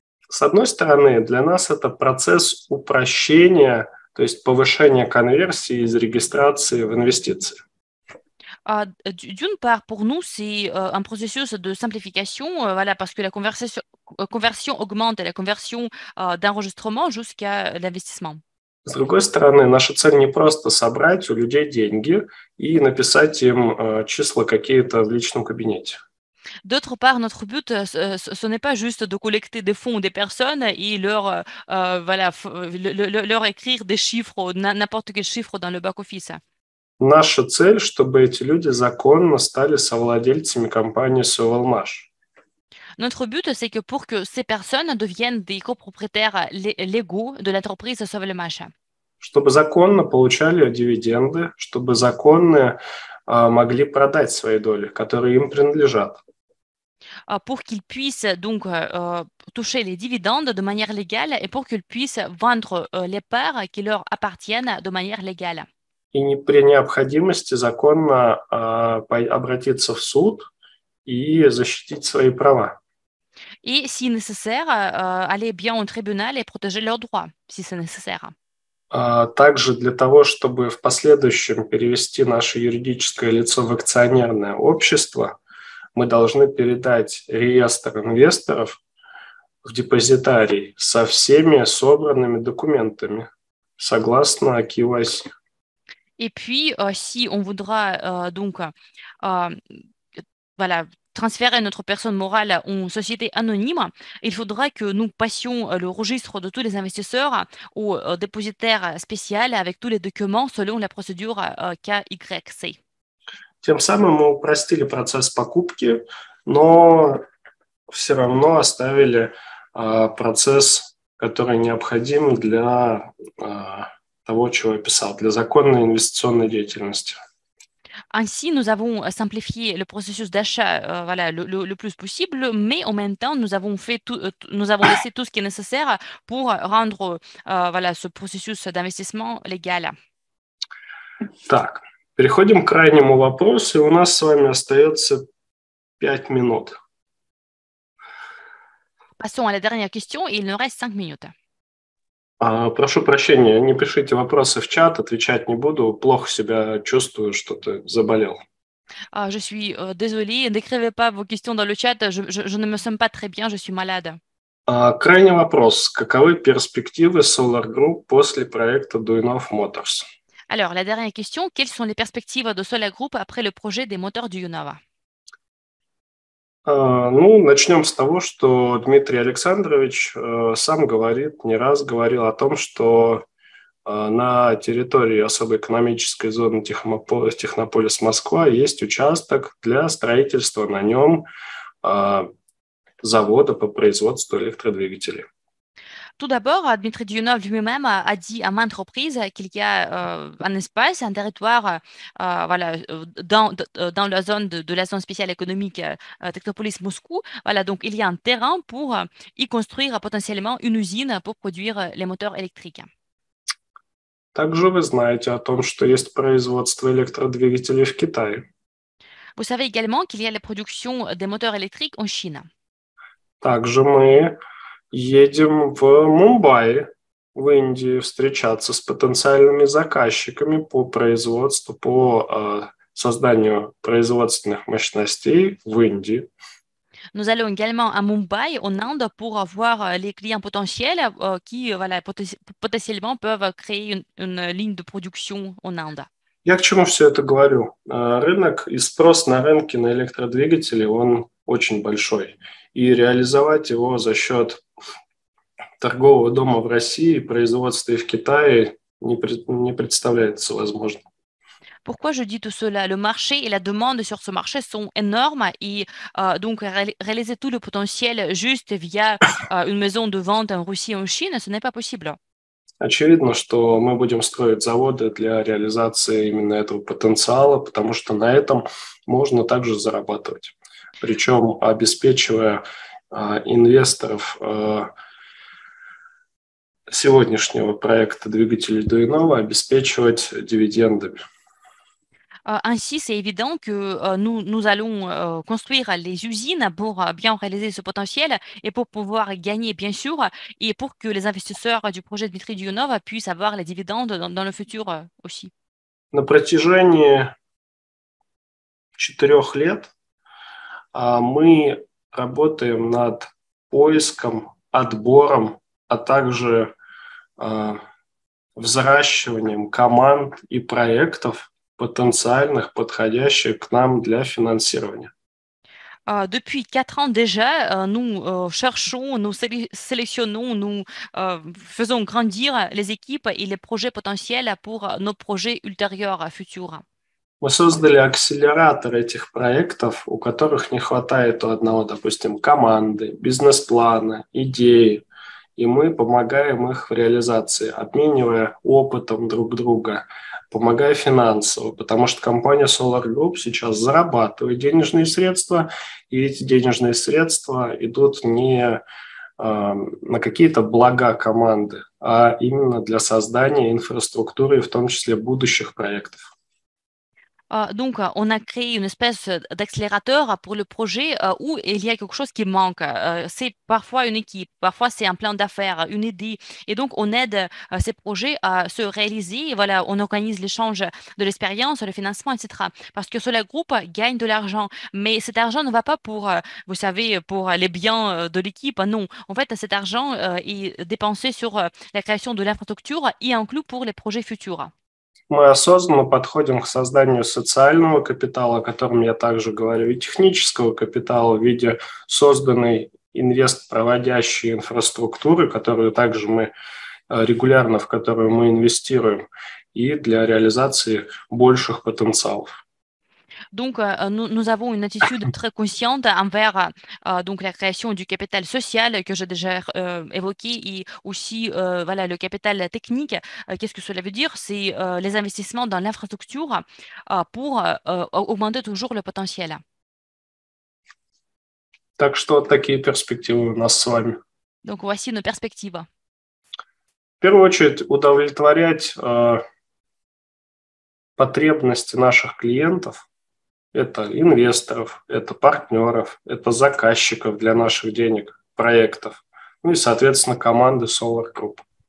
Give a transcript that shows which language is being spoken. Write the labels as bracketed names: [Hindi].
[Russian] С одной стороны, для нас это процесс упрощения, то есть повышения конверсии из регистрации в инвестиции. [French] D'une part, pour nous, c'est un processus de simplification, voilà, parce que la conversion augmente, la conversion d'enregistrement jusqu'à l'investissement. [Russian] С другой стороны, наша цель не просто собрать у людей деньги и написать им числа какие-то в личном кабинете. [French] D'autre part, notre but, ce n'est pas juste de collecter des fonds des personnes et leur écrire des chiffres, n'importe quel chiffre dans le back-office. [Russian] Наша цель, чтобы эти люди законно стали совладельцами компании Sovelmash. [French] Notre but, c'est que pour que ces personnes deviennent des copropriétaires légaux de l'entreprise Sovelmash. [Russian] Чтобы законно получали дивиденды, чтобы законно могли продать свои доли, которые им принадлежат. [French] Pour qu'ils puissent donc toucher les dividendes de manière légale et pour qu'ils puissent vendre les parts qui leur appartiennent de manière légale. [Russian] И не при необходимости законно обратиться в суд и защитить свои права. [French] Et si nécessaire, aller bien au tribunal et protéger leurs droits, si c'est nécessaire. [Russian] Также для того, чтобы в последующем перевести наше юридическое лицо в акционерное общество, мы должны передать реестр инвесторов в депозитарий со всеми собранными документами, согласно KYC. [French] Et puis, si on voudra donc voilà, transférer notre personne morale en société anonyme, il faudra que nous passions le registre de tous les investisseurs au dépositaire spécial avec tous les documents selon la procédure KYC. [Russian] Тем самым мы упростили процесс покупки, но все равно оставили процесс, который необходим для того, чего я писал, для законной инвестиционной деятельности. [French] Ainsi, nous avons simplifié le processus d'achat voilà, le plus possible, mais en même temps, nous avons laissé tout ce qui est nécessaire pour rendre voilà, ce processus d'investissement légal. [Russian] Так. Переходим к крайнему вопросу, и у нас с вами остается 5 минут. [French] Passons à la dernière question, il nous reste 5 minutes. [Russian] Прошу прощения, не пишите вопросы в чат, отвечать не буду, плохо себя чувствую, что-то заболел. [French] Je suis désolé, n'écrivez pas vos questions dans le chat, je ne me sens pas très bien, je suis malade. [Russian] Крайний вопрос, каковы перспективы Solar Group после проекта Duinov Motors? [French] Alors, la dernière question, quelles sont les perspectives de Solar Group après le projet des moteurs du Unova? [Russian] Ну, начнем с того, что Дмитрий Александрович сам говорит, не раз говорил о том, что на территории особой экономической зоны Технополис Москва есть участок для строительства на нем завода по производству электродвигателей. [French] Tout d'abord, Dmitri Dionov lui-même a dit à maintes reprises qu'il y a un espace, un territoire voilà, dans la zone de la zone spéciale économique Technopolis Moscou. Voilà, donc il y a un terrain pour y construire potentiellement une usine pour produire les moteurs électriques. [Russian] Также вы знаете о том, что есть производство электродвигателей в Китае. [French] Vous savez également qu'il y a la production des moteurs électriques en Chine. [Russian] Также мы едем в Мумбаи, в Индию, встречаться с потенциальными заказчиками по производству, по созданию производственных мощностей в Индии. [French] Nous allons également à Mumbai, en Inde, pour avoir les clients potentiels qui, voilà, potentiellement peuvent créer une ligne de production en Inde. [Russian] Я к чему все это говорю? Рынок и спрос на рынке на электродвигатели, он очень большой. И реализовать его за счет торгового дома в России, производства и в Китае не представляется возможным. [French] Pourquoi je dis tout cela? Le marché et la demande sur ce marché sont énormes et donc réaliser tout le potentiel juste via une maison de vente en Russie et en Chine, ce n'est pas possible. [Russian] Очевидно, что мы будем строить заводы для реализации именно этого потенциала, потому что на этом можно также зарабатывать. Причем обеспечивая инвесторов сегодняшнего проекта двигателей Дуйнова, обеспечивать дивидендами. [French] Ainsi, c'est évident que nous allons construire les usines pour bien réaliser ce potentiel et pour pouvoir gagner, bien sûr, et pour que les investisseurs du projet Dmitri Dionov puissent avoir les dividendes dans le futur aussi. [Russian] На протяжении 4 лет мы работаем над поиском, отбором, а также взращиванием команд и проектов потенциальных, подходящих к нам для финансирования. [French] Depuis 4 ans déjà, nous cherchons, нous sélectionnons, нous faisons grandir les équipes et les projets potentiels pour nos projets ultérieurs, futurs. [Russian] Мы создали акселератор этих проектов, у которых не хватает у одного, допустим, команды, бизнес-плана, идеи, и мы помогаем их в реализации, обменивая опытом друг друга, помогая финансово, потому что компания Solar Group сейчас зарабатывает денежные средства, и эти денежные средства идут не на какие-то блага команды, а именно для создания инфраструктуры, в том числе будущих проектов. [French] Donc, on a créé une espèce d'accélérateur pour le projet où il y a quelque chose qui manque. C'est parfois une équipe, parfois c'est un plan d'affaires, une idée. Et donc, on aide ces projets à se réaliser. Voilà, on organise l'échange de l'expérience, le financement, etc. Parce que Solar Group gagne de l'argent. Mais cet argent ne va pas pour, vous savez, pour les biens de l'équipe. Non, en fait, cet argent est dépensé sur la création de l'infrastructure et inclus pour les projets futurs. [Russian] Мы осознанно подходим к созданию социального капитала, о котором я также говорю, и технического капитала в виде созданной инвест-проводящей инфраструктуры, которую также мы регулярно, в которую мы инвестируем, и для реализации больших потенциалов. [French] Donc, nous avons une attitude très consciente envers donc la création du capital social que j'ai déjà évoqué et aussi voilà le capital technique. Qu'est-ce que cela veut dire? C'est les investissements dans l'infrastructure pour augmenter toujours le potentiel. [Russian] Так что такие перспективы у нас с вами. [French] Donc, voici nos perspectives. [Russian] В первую очередь, удовлетворять потребности наших клиентов, это инвесторов, это партнеров, это заказчиков для наших денег, проектов, ну и, соответственно, команды Solar Group.